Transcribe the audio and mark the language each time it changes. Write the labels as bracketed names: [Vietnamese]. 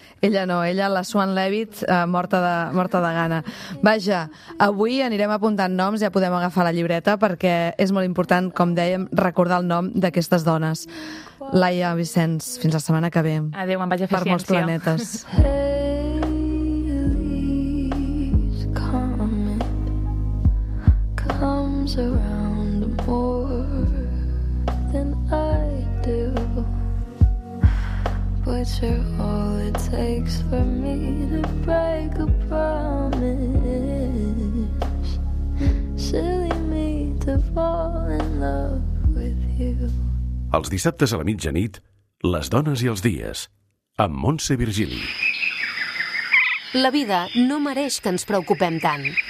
[Catalan] Ella no, ella, la Swan Leavitt, morta de gana. Vaja, avui anirem apuntant noms, ja podem agafar la llibreta, perquè és molt important, com dèiem, recordar el nom d'aquestes dones. Laia Vicens, fins la setmana que ve. Adéu, me'n vaig a fer ciència. Per molts planetes. [English] Haley's comet comes around more than I do. But you're all it takes for me to break a promise. Silly me to fall in love with you. [Catalan] Els dissabtes a la mitjanit, les dones i els dies, amb Montse Virgili. La vida no mereix que ens preocupem tant.